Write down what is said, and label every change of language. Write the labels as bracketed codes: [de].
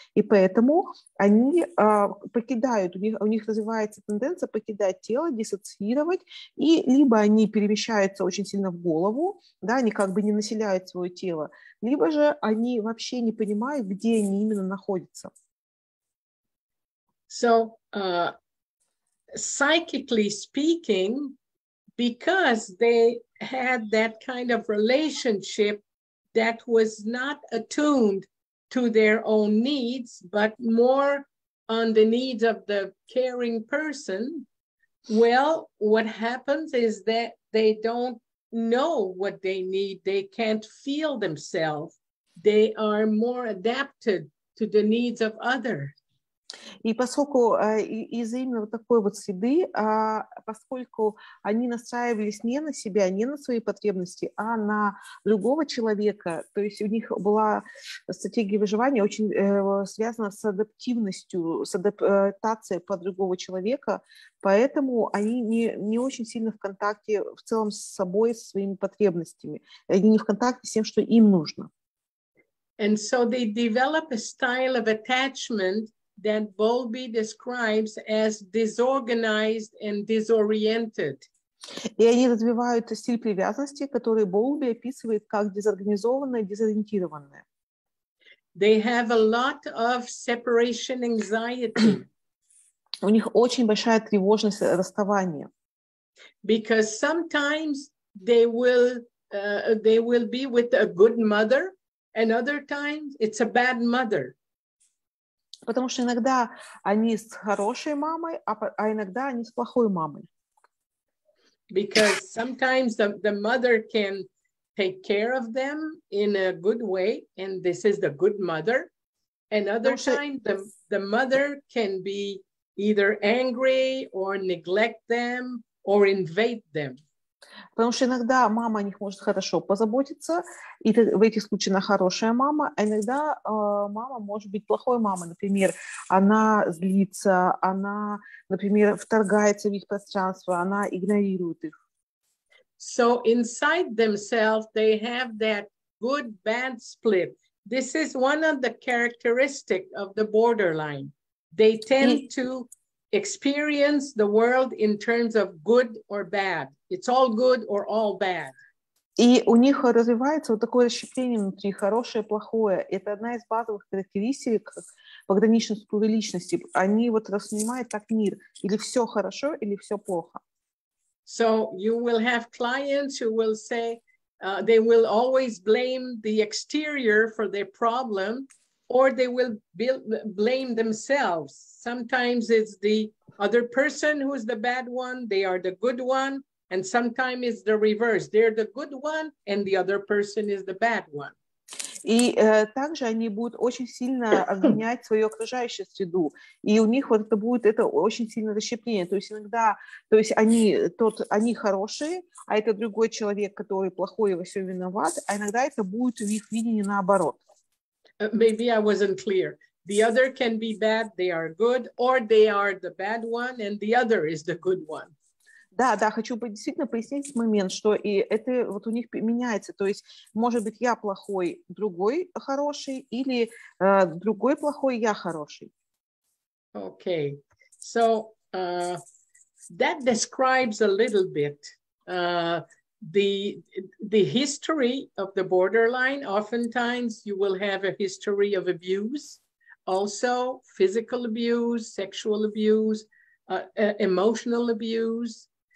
[ru] И поэтому они покидают, у них развивается тенденция покидать тело, диссоциировать, и либо они перемещаются очень сильно в голову, да, они как бы не населяют свое тело, либо же они вообще не понимают, где они именно находятся. [en] So, psychically speaking, because they had that kind of relationship that was not attuned to their own needs, but more on the needs of the caring person, well, what happens is that they don't know what they need. They can't feel themselves. They are more adapted to the needs of others. [ru] И поскольку из-за именно вот такой вот среды, поскольку они настраивались не на себя, не на свои потребности, а на другого человека, то есть у них была стратегия выживания очень связана с адаптивностью, с адаптацией под другого человека, поэтому они не очень сильно в контакте в целом с собой, со своими потребностями, они не в контакте с тем, что им нужно. [en] And so they develop a style of attachment that Bowlby describes as disorganized and disoriented. [ru] И они развивают стиль привязанности, который Bowlby описывает как дезорганизованное, дезориентированное. [en] They have a lot of separation anxiety. [ru] У них очень большая тревожность расставания. [en] Because sometimes they will be with a good mother, and other times it's a bad mother. [ru] Потому что иногда они с хорошей мамой, а иногда они с плохой мамой. [en] Because sometimes the mother can take care of them in a good way, and this is the good mother. And other times the mother can be either angry or neglect them or invade them. [ru] Потому что иногда мама о них может хорошо позаботиться, и в этих случаях она хорошая мама, а иногда мама может быть плохой мамой. Например, она злится, она, например, вторгается в их пространство, она игнорирует их. [en] So inside themselves they have that good-bad split. This is one of the characteristics of the borderline. They tend to experience the world in terms of good or bad. It's all good or all bad. [ru] И у них развивается вот такое расщепление внутри, хорошее, плохое. Это одна из базовых характеристик пограничной структуры личности. Они вот воспринимают так мир. Или все хорошо, или все плохо. [en] So you will have clients who will say, they will always blame the exterior for their problem, or they will blame themselves. Sometimes it's the other person who's the bad one, they are the good one, and sometimes it's the reverse. They're the good one, and the other person is the bad one. [ru] И также они будут очень сильно обвинять свою окружающую среду. И у них вот это будет это очень сильное расщепление. То есть иногда, то есть они хорошие, а это другой человек, который плохой и во всем виноват, а иногда это будет в их видении наоборот. [en] Maybe I wasn't clear. The other can be bad, they are good, or they are the bad one, and the other is the good one. [ru] Да, да, хочу действительно пояснить момент, что и это вот у них меняется. То есть, может быть, я плохой, другой хороший, или другой плохой, я хороший. [en] Okay. So, that describes a little bit the history of the borderline. Oftentimes, you will have a history of abuse. Also, physical abuse, sexual abuse, emotional abuse.